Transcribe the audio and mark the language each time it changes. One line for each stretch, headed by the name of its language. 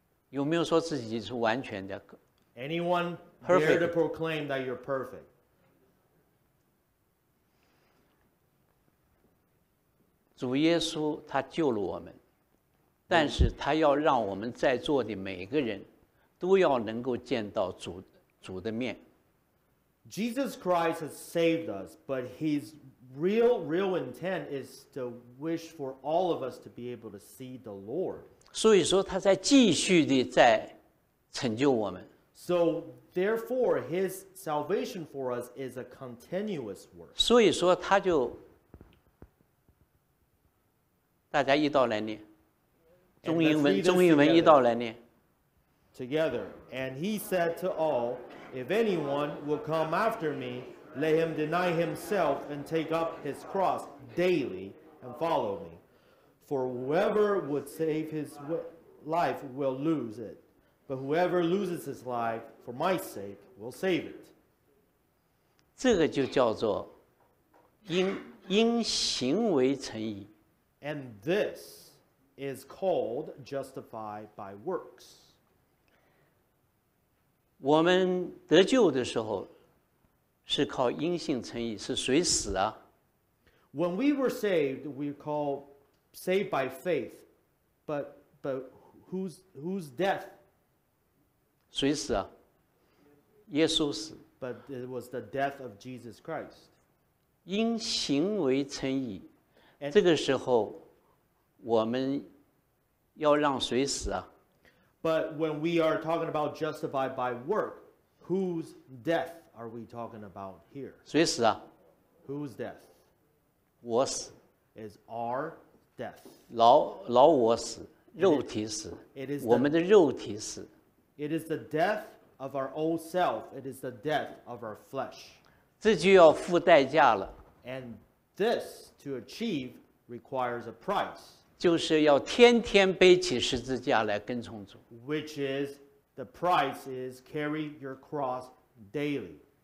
Chinese: 有没有说自己是完全的
English: ？Anyone dare to proclaim that you're perfect?
Chinese: 主耶稣他救了我们，但是他要让我们在座的每个人都要能够见到主的面。
English: Jesus Christ has saved us, but His real intent is to wish for all of us to be able to see the Lord.
Chinese: 所以说他在继续地在成就我们。
English: So therefore, his salvation for us is a continuous work.
Chinese: 所以说他就大家一道来念，中英文一道来念。
English: Together, and he said to all, "If anyone will come after me, let him deny himself and take up his cross daily and follow me." For whoever would save his life will lose it, but whoever loses his life for my sake will save it.
Chinese: 这个就叫做因行为称义。
English: And this is called justified by works.
Chinese: 我们得救的时候是靠因信称义，是随死啊。
English: When we were saved, we called. Saved by faith, but whose death?
Chinese: 谁死啊？耶稣死。
English: But it was the death of Jesus Christ.
Chinese: 因行为称义， and, 这个时候我们要让谁死啊
English: ？But when we are talking about justified by work, whose death are we talking about here?
Chinese: 谁死啊
English: ？Whose death?
Chinese: 我死。
English: Is our
Chinese: 老我死，肉体死，我们的肉体死。
English: It is the death of our old self. It is the death of our flesh.
Chinese: 这就要付代价了。
English: And this to achieve requires a price.
Chinese: 就是要天天背起十字架来跟从主。
English: Which is the price is carry your cross daily.